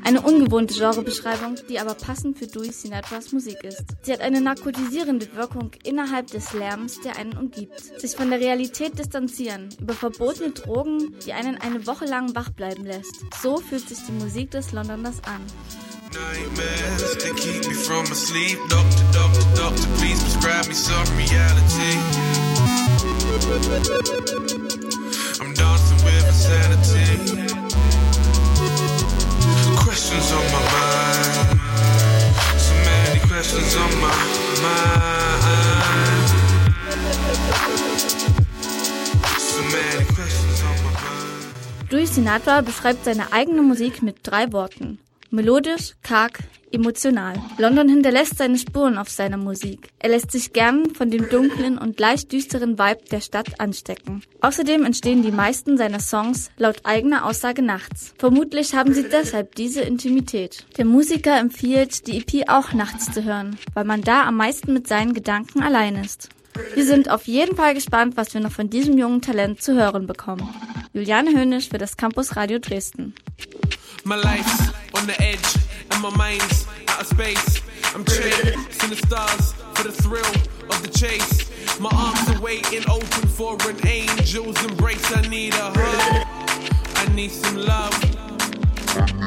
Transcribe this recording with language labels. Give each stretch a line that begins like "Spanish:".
German: Eine ungewohnte Genrebeschreibung, die aber passend für Dewey Sinatras Musik ist. Sie hat eine narkotisierende Wirkung innerhalb des Lärms, der einen umgibt. Sich von der Realität distanzieren, über verbotene Drogen, die einen eine Woche lang wach bleiben lässt. So fühlt sich die Musik des Londoners an.
English: Nightmares to keep me from asleep. Doctor, doctor, doctor, please prescribe me some reality. I'm dancing with insanity. Questions on my mind. So many questions on my mind. So many questions on my mind.
German: Dewey Sinatra beschreibt seine eigene Musik mit 3 Worten. Melodisch, karg, emotional. London hinterlässt seine Spuren auf seiner Musik. Er lässt sich gern von dem dunklen und leicht düsteren Vibe der Stadt anstecken. Außerdem entstehen die meisten seiner Songs laut eigener Aussage nachts. Vermutlich haben sie deshalb diese Intimität. Der Musiker empfiehlt, die EP auch nachts zu hören, weil man da am meisten mit seinen Gedanken allein ist. Wir sind auf jeden Fall gespannt, was wir noch von diesem jungen Talent zu hören bekommen. Juliane Hönisch für das Campus Radio Dresden.
English: My life's on the edge and my mind's out of space. I'm trained, seeing the stars for the thrill of the chase. My arms are waiting open for an angel's embrace. I need a hug, I need some love.